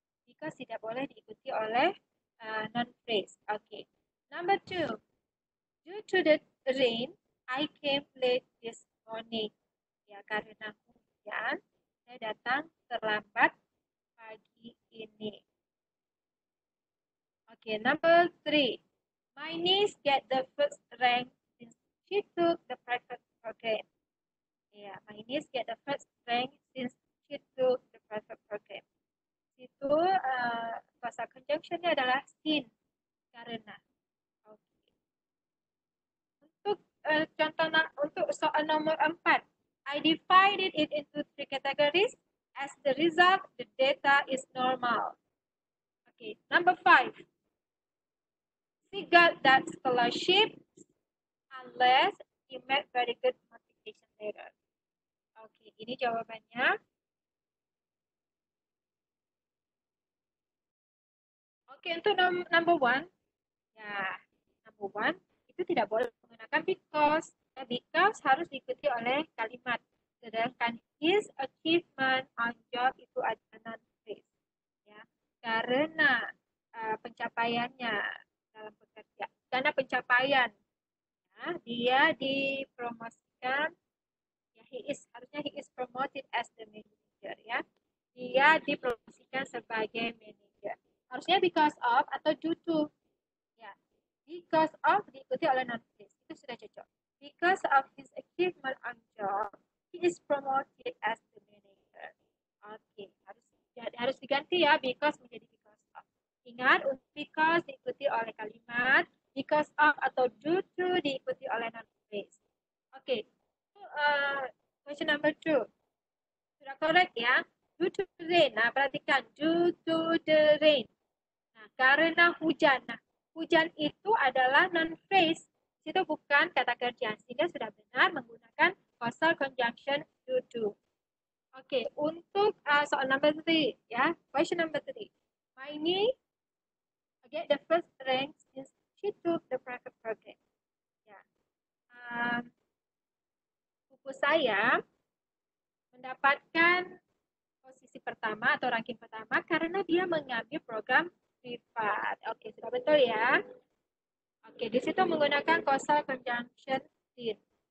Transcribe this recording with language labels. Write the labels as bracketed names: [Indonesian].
[Indonesian] Because tidak boleh diikuti oleh non-phrase. [English] Okay. Number 2. Due to the rain, I came late this morning. [Indonesian] Ya, karena hujan, saya datang terlambat pagi ini. [English] Okay. Number 3. My niece get the first rank since she took the private program. Ya, my niece get the first rank since she took the private program. [Indonesian] Itu bahasa conjunction-nya adalah since, karena. [English] Okay. [Indonesian] Untuk contohnya, untuk soal nomor 4, [English] I divided it into 3 categories. As the result, the data is normal. Okay, number 5. She got that scholarship unless he made very good motivation letter. [Indonesian] Oke, ini jawabannya. Oke, untuk number one. Ya, number one itu tidak boleh menggunakan because. Because harus diikuti oleh kalimat. Sedangkan [English] his achievement on job [Indonesian] itu adalah non-phrase. Ya, karena pencapaiannya dalam pekerja. Karena pencapaian. Ya, dia dipromosikan. Harusnya [English] he is promoted as the manager, ya. [Indonesian] Dia dipromosikan sebagai manager. Harusnya because of atau due to. Ya. Because of diikuti oleh non-phrase. Itu sudah cocok. [English] Because of his achievement on job, he is promoted as the manager. [Indonesian] Okay. Harus diganti ya, because menjadi because of. Ingat, because diikuti oleh kalimat, because of atau due to diikuti oleh non-phrase. Okay. [English] Question number 2. [Indonesian] Sudah correct ya? [English] Due to the rain. [Indonesian] Nah, perhatikan. [English] Due to the rain. [Indonesian] Nah, karena hujan. Nah, hujan itu adalah non-phrase. Itu bukan kata kerja. Sehingga sudah benar menggunakan causal conjunction due to. Oke, untuk soal number 3 ya. [English] Question number 3. My niece get the first rank since she took the private program. [Indonesian] Ya. Saya mendapatkan posisi pertama atau ranking pertama karena dia mengambil program privat. Oke, sudah betul ya. Oke, di situ menggunakan causal conjunction since.